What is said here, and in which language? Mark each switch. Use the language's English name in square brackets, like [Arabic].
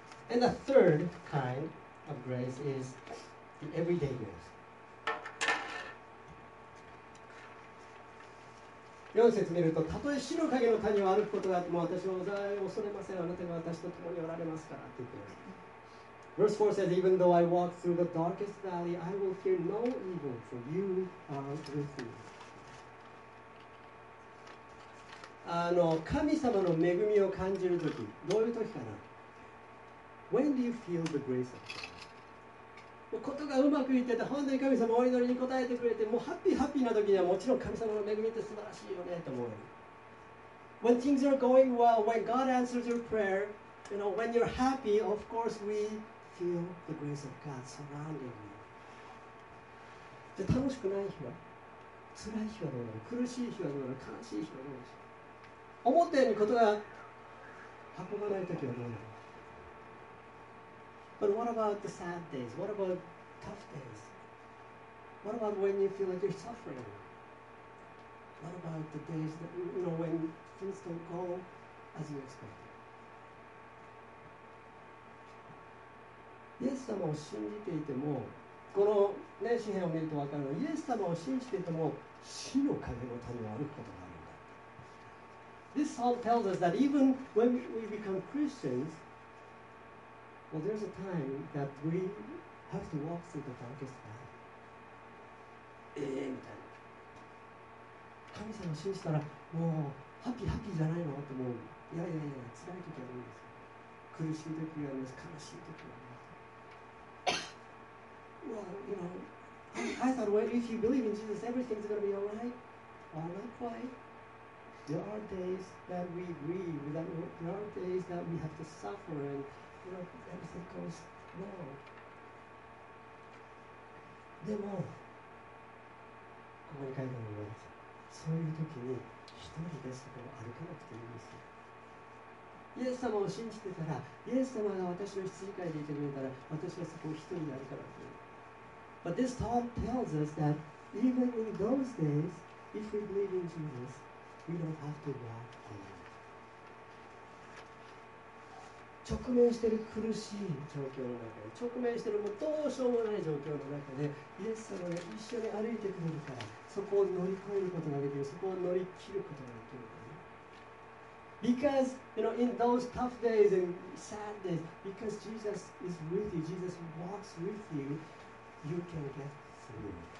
[English] And the third kind of grace is the everyday grace. [Japanese] 4節見ると、たとえ死の影の谷を歩くことがあっても、私は恐れません。あなたが私と共におられますからって言ってます。 [English] Verse 4 says, Even though I walk through the darkest valley, I will fear no evil, for you are with me. [Japanese] あの神様の恵みを感じるとき、どういうときかな ? [English] When do you feel the grace of God? [Japanese] ことがうまくいってて、本当に神様お祈りに応えてくれて、もうハッピーハッピーなときにはもちろん神様の恵みって素晴らしいよねと思う。 [English] When things are going well, when God answers your prayer, you know, when you're happy, of course we feel the grace of God surrounding you. [Japanese] じゃ楽しくない日は辛い日はどうなの苦しい日はどうなの悲しい日はどうなの思ったようにことが運ばないときはどうなの [English] But what about the sad days? What about tough days? What about when you feel like you're suffering? What about the days that, you know, when things don't go as you expected? [Japanese] イエス様を信じていても、この、ね、詩篇を見ると分かるのイエス様を信じていても死の影の谷を歩くことがある。 [English] This psalm tells us that even when we become Christians, well, there's a time that we have to walk through the darkest valley. [Japanese] みたいな。神様を信じたら、もう、ハッピーハッピーじゃないのって思う。いやいやいや、辛い時あるんですよ。苦しい時があるんです。悲しい時があるんです。 [English] Well, you know, I thought, well, if you believe in Jesus, everything's going to be all right. Well, not quite. There are days that we grieve, that there are days that we have to suffer, and you know, everything goes wrong. [Japanese] でも、ここに書いてあるのは、そういう時に一人でそこを歩かなくていいんですよ。イエス様を信じてたら、イエス様が私の羊飼いでいてくれたら、私はそこを一人で歩かなくていい。 [English] But this talk tells us that even in those days, if we believe in Jesus,We don't have to walk alone. [Japanese] 直面している苦しい状況の中で、直面しているもうどうしようもない状況の中で、イエス様が一緒に歩いてくれるから、そこを乗り越えることができる、そこを乗り切ることができる。 [English] Because, you know, in those tough days and sad days, because Jesus is with you, Jesus walks with you, you can get through.